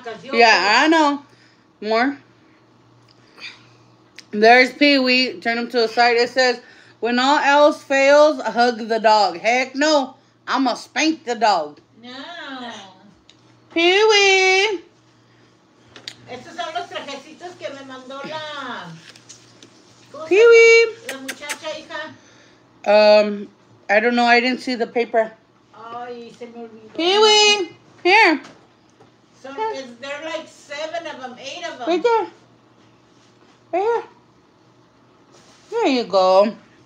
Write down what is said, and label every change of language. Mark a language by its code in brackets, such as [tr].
[en] because you're yeah, I know. More. There's Pee-wee. Turn him to the side. It says, when all else fails, hug the dog. Heck no. I'm going to spank the dog. No. Pee-wee! [es] Estos son los trajecitos que me mandó la... [en] Pee-wee! [es] La muchacha, hija. [en] I don't know. I didn't see the paper. [es] Ay, se me olvidó. [en] Pee-wee! Here. So, yeah. Is there like 7 of them, 8 of them? Right there. Right here. There you go.